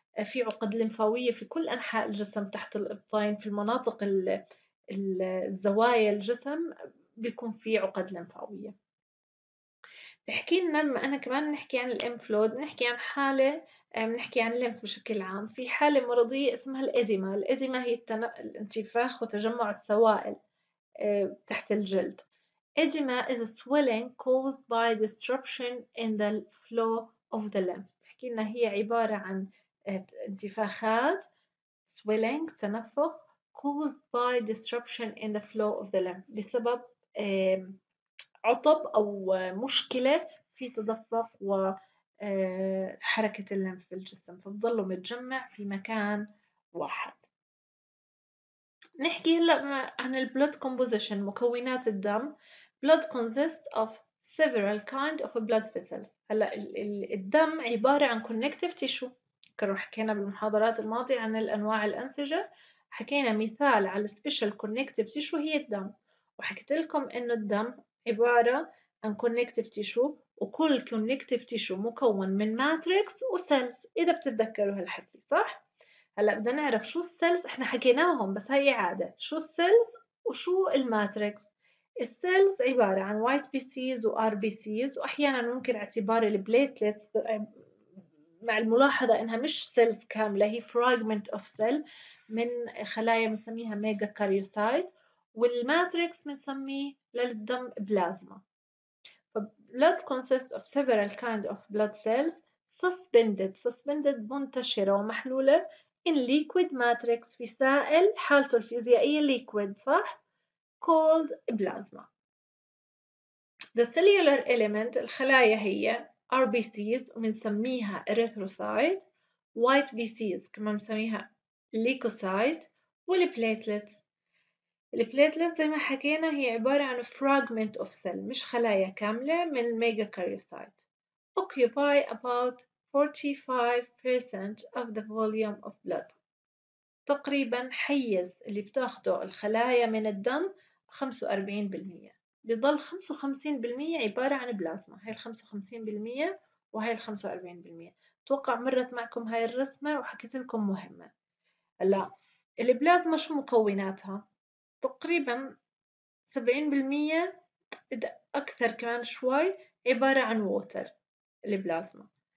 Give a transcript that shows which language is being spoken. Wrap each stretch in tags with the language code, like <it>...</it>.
<ar>في عقد لمفاوية في كل أنحاء الجسم تحت الإبطين، في المناطق الزوايا الجسم بيكون في عقد لمفاوية. بحكي لنا ما أنا كمان نحكي عن الإنفلود، نحكي عن حالة، نحكي عن الليمف بشكل عام. في حالة مرضية اسمها الإديما، الإديما هي الانتفاخ وتجمع السوائل تحت الجلد.</ar> <en>Edema is a swelling caused by disruption in the flow of the lymph.</en> <ar>بحكي لنا هي عبارة عن انتفاخات swelling تنفخ</ar> <en>caused by disruption in the flow of the lymph</en> <ar>بسبب عطب أو مشكلة في تدفق وحركة اللمف في الجسم، فبضلوا متجمع في مكان واحد. نحكي هلأ عن blood composition، مكونات الدم.</ar> <en>blood consists of several kind of blood vessels.</en> <ar>هلأ الدم عبارة عن connective tissue، كنا حكينا بالمحاضرات الماضية عن الأنواع الأنسجة، حكينا مثال على special connective tissue هي الدم، وحكيت لكم إنه الدم عبارة عن connective tissue، وكل connective tissue مكون من matrix وcells إذا بتتذكروا هالحكي صح؟ هلأ بدنا نعرف شو cells، إحنا حكيناهم بس هاي عادة، شو cells وشو الماتريكس. cells عبارة عن white BCs و RBCs، وأحياناً ممكن اعتبار البليتلتس مع الملاحظة إنها مش cells كاملة، هي</ar> <en>fragment of cell</en> <ar>من خلايا بنسميها megakaryocyte، والماتريكس بنسميه للدم بلازما.</ar> <en>blood consists of several kind of blood cells suspended، suspended</en> <ar>منتشرة ومحلولة</ar> <en>in liquid matrix،</en> <ar>في سائل حالته الفيزيائية</ar> <en>liquid صح؟ called plasma. the cellular element</en> <ar>الخلايا هي</ar> <en>RBCs وبنسميها erythrocyte، white BCs كمان بنسميها leukocyte، والplatelets.</en> <ar>البليتلت زي ما حكينا هي عبارة عن</ar> <en>fragment of cell</en> <ar>مش خلايا كاملة من megakaryocyte.</ar> <en>occupy about 45% of the volume of blood.</en> <ar>تقريبا حيز اللي بتاخده الخلايا من الدم 45%. بيضل 55% عبارة عن بلازما. هاي 55% وهاي 45%. توقع مرت معكم هاي الرسمة وحكيت لكم مهمة. لا، البلازما شو مكوناتها؟ تقريبا 70% أكثر كمان شوي عبارة عن ووتر البلازما.</ar>